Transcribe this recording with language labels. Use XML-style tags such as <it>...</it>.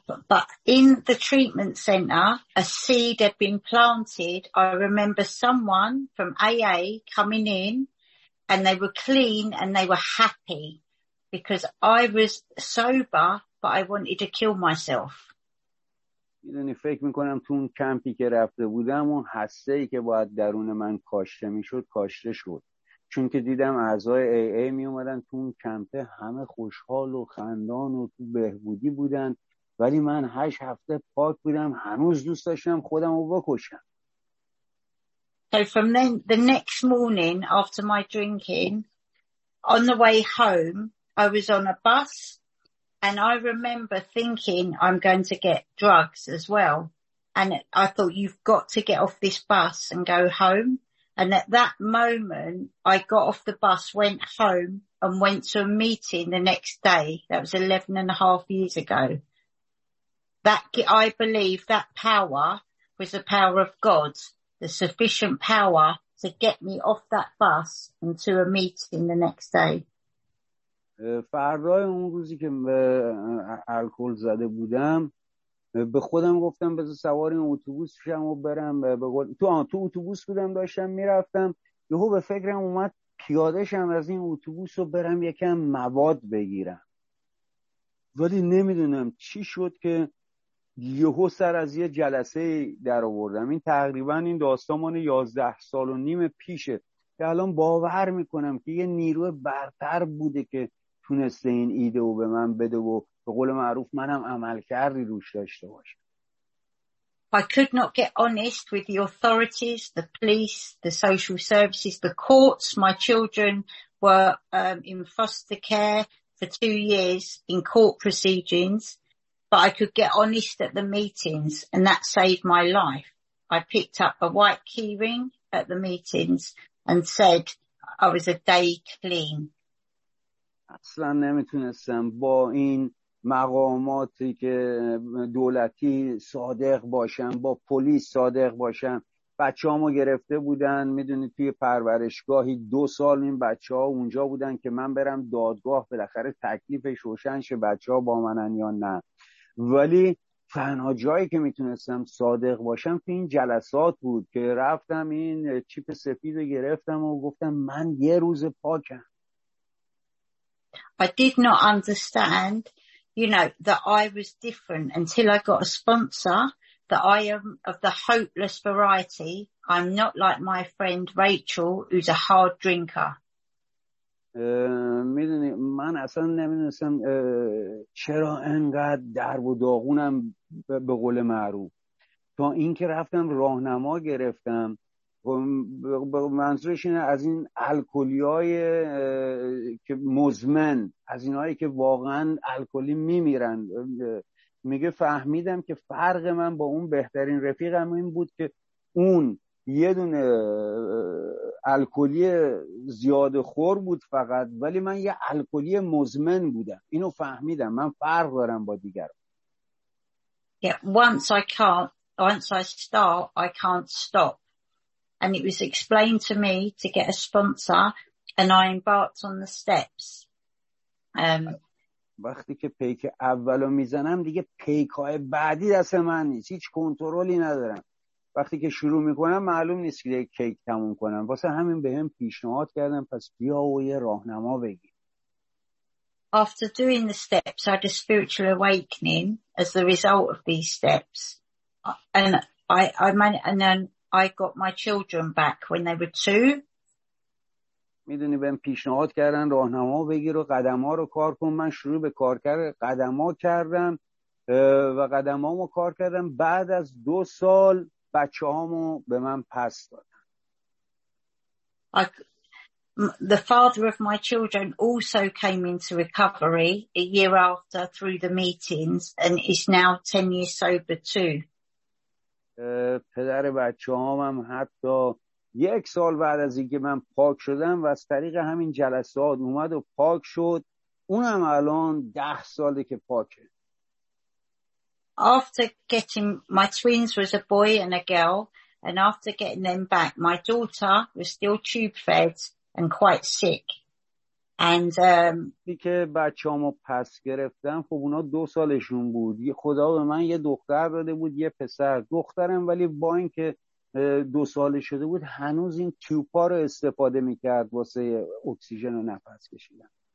<en>But in the treatment center, a seed had been planted. I remember someone from AA coming in and they were clean and they were happy because I was sober, but I wanted to kill myself.</en> <fa>میدونی فکر میکنم تو اون کمپی که رفته بودم اون حسه‌ای که باید درون من کاشته میشد کاشته شد، چون که دیدم اعضای AA میومدن تو اون کمپه همه خوشحال و خندان و تو بهبودی بودن، ولی من هشت هفته پاک بودم هنوز دوست داشتم خودم رو بکشم.</fa> <en>So from then, the next morning after my drinking, on the way home, I was on a bus and I remember thinking I'm going to get drugs as well. And I thought you've got to get off this bus and go home. And at that moment, I got off the bus, went home and went to a meeting the next day. That was 11 and a half years ago. That I believe that power was the power of God, the sufficient power to get me off that bus and to a meeting the next day.</en> <fa>فردای اون روزی که الکل زده بودم به خودم گفتم بذار سوار این اتوبوس شم و برم تو اتوبوس بودم داشتم میرفتم، یهو به فکرم اومد پیاده شم از این اتوبوس رو برم یکم مواد بگیرم، ولی نمیدونم چی شد که یهو سر از یه جلسه در آوردم. این تقریبا این داستان 11 سال و نیم پیشه که الان باور میکنم که یه نیروی برتر بوده که تونسته این ایده رو به من بده و به قول معروف منم عمل کردی روش داشته باشم.</fa> <en>I could not get honest with the authorities, the police, the social services, the courts. My children were in foster care for 2 years in court proceedings. But I could get honest at the meetings and that saved my life. I picked up a white key ring at the meetings and said I was a day clean.</en> <fa>اصلا نمیتونستم با این مقاماتی که دولتی صادق باشم، با پلیس صادق باشم. بچه‌هامو گرفته بودن، میدونید توی پرورشگاهی 2 سال این بچه‌ها اونجا بودن که من برم دادگاه بالاخره تکلیفش روشن شه بچه‌ها با منن یا نه. ولی تنها جایی که میتونستم صادق باشم تو این جلسات بود که رفتم این چیپ سفید رو گرفتم و گفتم من یه روز پاکم.</fa> <en>I did not understand, you know, that I was different until I got a sponsor, that I am of the hopeless variety. I'm not like my friend Rachel, who's a hard drinker.</en> <fa>میدونی من اصلا نمیدونستم چرا انقدر درب و داغونم به قول معروف، تا اینکه رفتم راهنما گرفتم به منظورش اینه از این الکلیای که مزمن، از اینایی که واقعا الکلی میمیرن. میگه فهمیدم که فرق من با اون بهترین رفیقم این بود که اون یه دونه الکلی زیاد خور بود فقط، ولی من یه الکلی مزمن بودم. اینو فهمیدم من فرق دارم با دیگران.</fa> <en>Once I start I can't stop, and it was explained to me to get a sponsor and I embarked on the steps.</en> <fa>وقتی که پیک اولو میزنم دیگه پیکای بعدی دست من نیست، هیچ کنترلی ندارم. وقتی که شروع میکنم معلوم نیست که کیک تموم کنم، واسه همین به هم پیشنهاد کردم پس بیا و یه راهنما بگیر.</fa> <en>After doing the steps I had a spiritual awakening as the result of these steps, and I got my children back when they were 2.</en> <fa>میدونی بهم پیشنهاد کردن راهنما بگیر و قدم ها رو کار کن. من شروع به کار کردم قدم ها کردم و قدم ها رو کار کردم. بعد از 2 سال بچه‌هامو به من پس دادن.</fa> <en>The father of my children also came into recovery a year after through the meetings and is now 10 years sober too.</en> <fa>پدر بچه‌هام هم حتی 1 سال بعد از اینکه من پاک شدم و از طریق همین جلسات اومد و پاک شد اونم الان 10 سالی که پاکه.</fa> <en>After getting my twins was a boy and a girl, and after getting them back, my daughter was still tube fed and quite sick. And</en> <fa>دیگه بچه‌امو پس گرفتم، خب اونا 2 سالشون بود. خدا به من یه دختر داده بود، یه پسر. دخترم ولی با اینکه 2 ساله شده بود هنوز این تیوپا رو استفاده میکرد واسه اکسیژن و نفس کشیدن.</fa>